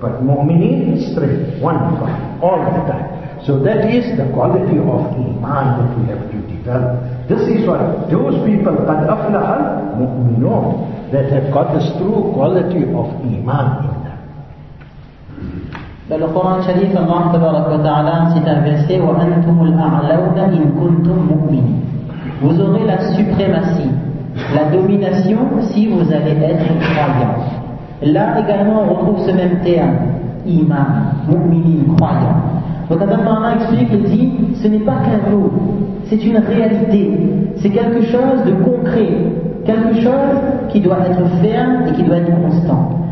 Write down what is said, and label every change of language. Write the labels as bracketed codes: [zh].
[en] But mu'mineen is straight, one God, all the time. So that is the quality of iman that we have to develop. This is what those people, qad aflaha mu'minun, that have got this true quality of iman in them. [ar] بل القرآن شريف الله تبارك وتعالى ستنفسه وأنتم الأعلون إن كنتم مؤمنين. [fr] Vous aurez la suprématie, la domination si vous allez être croyant. Là également, on retrouve ce même terme, iman, mu'minin, croyant. Donc, Abba Allah explique, il dit, ce n'est pas qu'un mot, c'est une réalité, c'est quelque chose de concret, quelque chose qui doit être ferme et qui doit être constant.